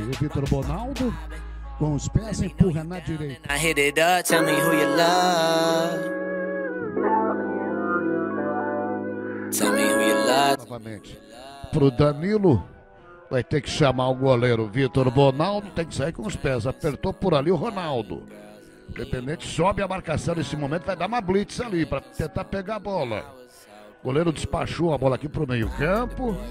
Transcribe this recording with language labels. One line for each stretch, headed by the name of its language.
Portuguese: O Vitor Bonaldo com os pés empurra na direita.
English: Hit it up, tell me who you love. Tell me who you love.
Portuguese: Novamente pro Danilo, vai ter que chamar o goleiro Vitor Bonaldo, tem que sair com os pés, apertou por ali o Ronaldo. Independente, sobe a marcação nesse momento, vai dar uma blitz ali para tentar pegar a bola. O goleiro despachou a bola aqui pro meio campo,